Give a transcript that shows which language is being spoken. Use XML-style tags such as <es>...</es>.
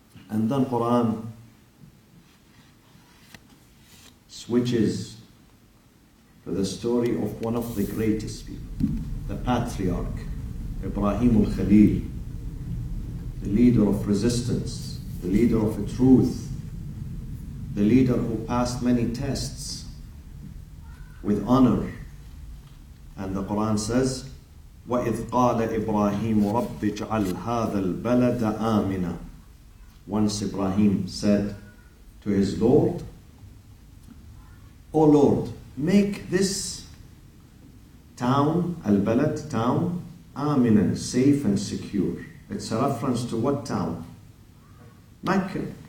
<en>And then Quran switches to the story of one of the greatest people, the patriarch, Ibrahim al-Khalil, the leader of resistance, the leader of the truth, the leader who passed many tests with honor. And the Quran says,</en> <ar>وَإِذْ قَالَ إِبْرَاهِيمُ رَبِّ اجْعَلْ هَذَا الْبَلَدَ آمِنًا.</ar> <en>Once Ibrahim said to his Lord, O Lord, make this town, al-balad, town, aminan, safe and secure. It's a reference to what town? Mecca.</en>